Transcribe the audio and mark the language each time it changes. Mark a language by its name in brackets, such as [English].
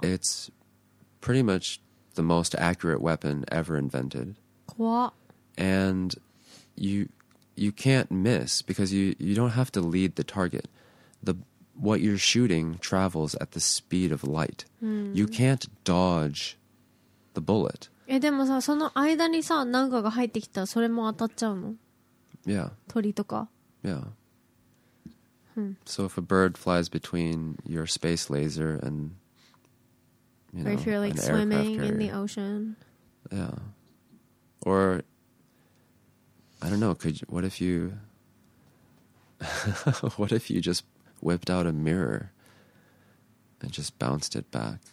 [English] It's pretty much the most accurate weapon ever invented. What? And you can't miss because you don't have to lead the target. What you're shooting travels at the speed of light. Hmm. You can't dodge the bullet. [Japanese] でもさ、その間にさ、なんかが入ってきたらそれも当たっちゃうの? [English] Yeah. [Japanese] 鳥とか? [English] Yeah. So if a bird flies between your space laser and, you know, or if you're like swimming in the ocean. Yeah. Or, I don't know, what if you just whipped out a mirror and just bounced it back?